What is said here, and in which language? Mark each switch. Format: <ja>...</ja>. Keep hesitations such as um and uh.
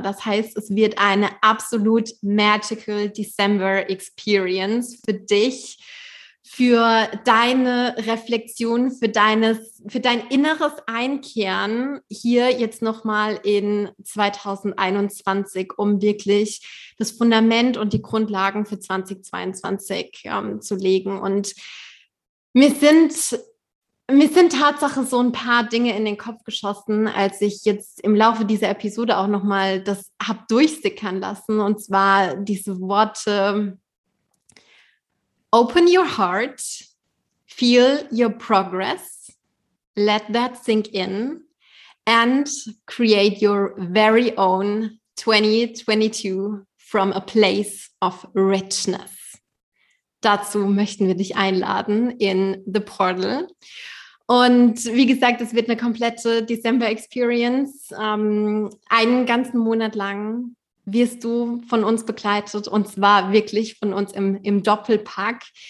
<de>Das heißt, es wird eine absolut magical December Experience für dich, für deine Reflexion, für deines, für dein inneres Einkehren hier jetzt nochmal in 2021, um wirklich das Fundament und die Grundlagen für 2022 ähm, zu legen. Und mir sind mir sind Tatsache so ein paar Dinge in den Kopf geschossen, als ich jetzt im Laufe dieser Episode auch nochmal das hab durchsickern lassen. Und zwar diese Worte</de> <en>Open your heart, feel your progress, let that sink in and create your very own 2022 from a place of richness.</en> <de>Dazu möchten wir dich einladen in The Portal. Und wie gesagt, es wird eine komplette December Experience. Ähm, einen ganzen Monat lang wirst du von uns begleitet und zwar wirklich von uns im, im Doppelpack.</de>